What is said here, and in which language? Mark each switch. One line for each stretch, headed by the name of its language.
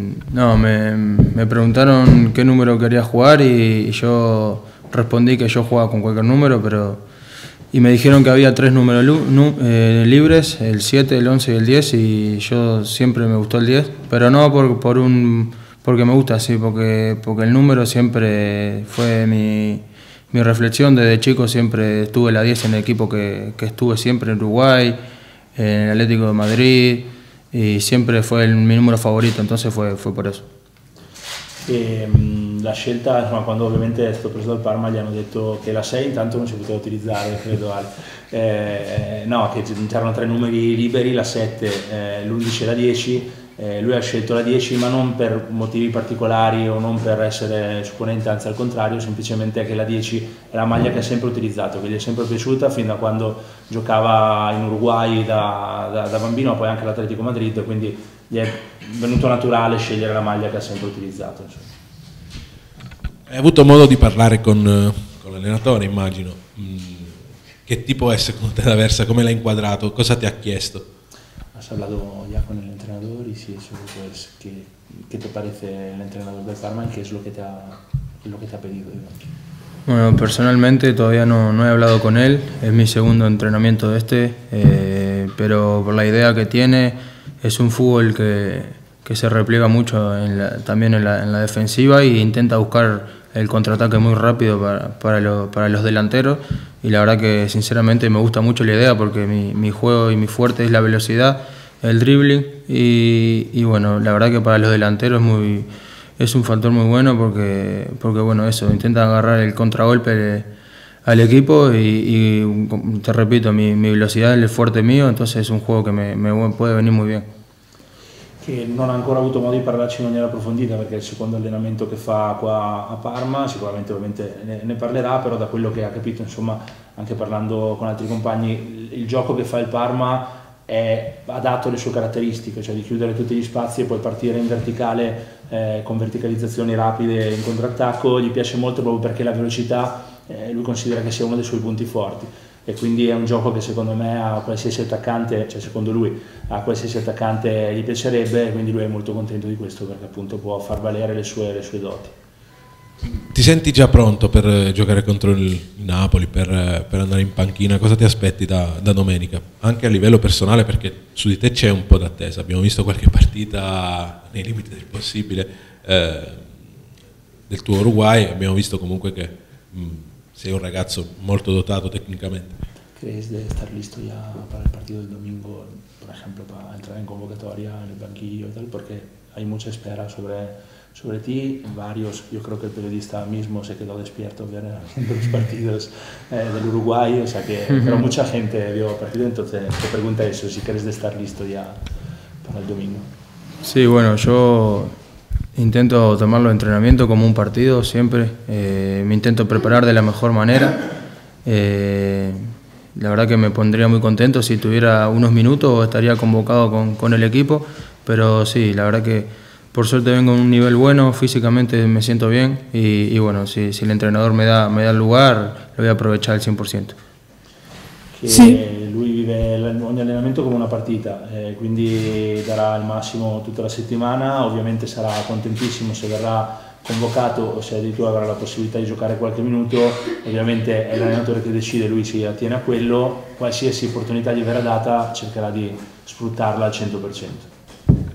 Spanish: No, me preguntaron qué número quería jugar y yo respondí que yo jugaba con cualquier número, pero y me dijeron que había tres números libres, el 7, el 11 y el 10, y yo siempre me gustó el 10, pero no porque me gusta, sí, porque el número siempre fue mi reflexión. Desde chico siempre estuve la 10 en el equipo que estuve siempre, en Uruguay, en el Atlético de Madrid, y siempre fue mi número favorito, entonces fue por eso.
Italian: La scelta, insomma, quando ovviamente è stato preso dal Parma gli hanno detto che la 6 intanto non si poteva utilizzare, credo, no, che c'erano tre numeri liberi, la 7, l'11 e la 10. Lui ha scelto la 10, ma non per motivi particolari o non per essere supponente, anzi al contrario, semplicemente è che la 10 è la maglia che ha sempre utilizzato, che gli è sempre piaciuta fin da quando giocava in Uruguay da bambino, poi anche all'Atletico Madrid, quindi gli è venuto naturale scegliere la maglia che ha sempre utilizzato. Hai avuto modo di parlare con l'allenatore, immagino. Che tipo è secondo te l'avversa? Come l'ha inquadrato? Cosa ti ha chiesto?
Spanish: Has hablado ya con el entrenador y si eso es que te parece el entrenador del Parma y qué es lo que te ha pedido. Bueno, personalmente todavía no he hablado con él, es mi segundo entrenamiento de este, pero por la idea que tiene, es un fútbol que se repliega mucho también en la defensiva e intenta buscar el contraataque muy rápido para los delanteros. Y la verdad que sinceramente me gusta mucho la idea porque mi juego y mi fuerte es la velocidad, el dribbling y bueno, la verdad que para los delanteros es un factor muy bueno porque bueno, eso, intenta agarrar el contragolpe al equipo y te repito, mi velocidad es el fuerte mío, entonces es un juego que me puede venir muy bien.
Italian: E non ha ancora avuto modo di parlarci in maniera approfondita perché è il secondo allenamento che fa qua a Parma, sicuramente ovviamente ne parlerà, però da quello che ha capito, insomma, anche parlando con altri compagni, il gioco che fa il Parma è adatto alle sue caratteristiche, cioè di chiudere tutti gli spazi e poi partire in verticale con verticalizzazioni rapide in contrattacco, gli piace molto proprio perché la velocità lui considera che sia uno dei suoi punti forti. E quindi è un gioco che secondo me a qualsiasi attaccante, cioè secondo lui, a qualsiasi attaccante gli piacerebbe, e quindi lui è molto contento di questo perché appunto può far valere le sue doti. Ti senti già pronto per giocare contro il Napoli, per andare in panchina? Cosa ti aspetti da domenica? Anche a livello personale, perché su di te c'è un po' d'attesa, abbiamo visto qualche partita nei limiti del possibile del tuo Uruguay, abbiamo visto comunque che... sei un ragazzo molto dotato tecnicamente.
Spanish: ¿Crees de estar listo ya para el partido del domingo, por ejemplo, para entrar en convocatoria en el banquillo y tal? Porque hay mucha espera sobre ti, varios, yo creo que el periodista mismo se quedó despierto viendo los partidos del Uruguay, o sea que pero mucha gente vio el partido, entonces te pregunta eso, si crees de estar listo ya para el domingo. Sí, bueno, yo intento tomar los entrenamientos como un partido siempre, me intento preparar de la mejor manera, la verdad que me pondría muy contento si tuviera unos minutos o estaría convocado con el equipo, pero sí, la verdad que por suerte vengo a un nivel bueno, físicamente me siento bien y bueno, si el entrenador me da lugar, lo voy a aprovechar al 100%.
Italian: Che sì. Lui vive ogni allenamento come una partita, quindi darà il massimo tutta la settimana, ovviamente sarà contentissimo se verrà convocato o se addirittura avrà la possibilità di giocare qualche minuto, ovviamente è l'allenatore che decide, lui si attiene a quello, qualsiasi opportunità gli verrà data cercherà di sfruttarla al 100%.